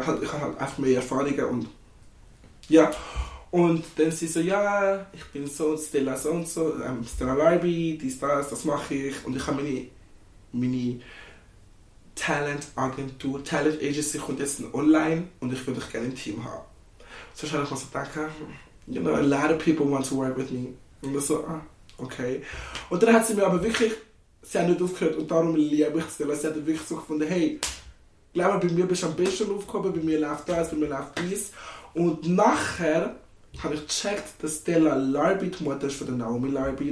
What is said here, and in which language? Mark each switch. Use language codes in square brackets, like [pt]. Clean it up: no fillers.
[de] Ich habe halt einfach mehr Erfahrungen und ja. Und dann sie so, ja, ich bin so und Stella so und so, Stella Larby, dies, das, das mache ich. Und ich habe meine Talent-Agentur, Talent-Agency kommt jetzt online und ich würde gerne ein Team haben. So schnell ich mir so denken, [en] you know, a lot of people want to work with me. [de] Und ich so, ah, okay. Und dann hat sie mir aber wirklich, sie hat nicht aufgehört und darum liebe ich Stella. Sie hat wirklich so gefunden, hey, glaub mal, bei mir bist du am besten aufgekommen, bei mir läuft das, bei mir läuft dies. Und nachher habe ich gecheckt, dass Stella Larby die Mutter ist von der Naomi Larby.